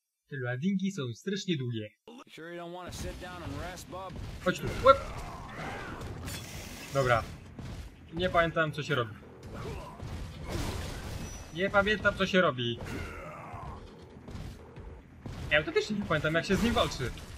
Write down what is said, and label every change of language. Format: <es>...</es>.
<pl>Te ladinki są strasznie długie.</pl> <en>Sure you don't want to sit down and rest, Bob?</en> <pl>Chodź tu. Łup. Dobra. Nie pamiętam, co się robi. Nie pamiętam, co się robi. Ja to też nie pamiętam, jak się z nim walczy.</pl>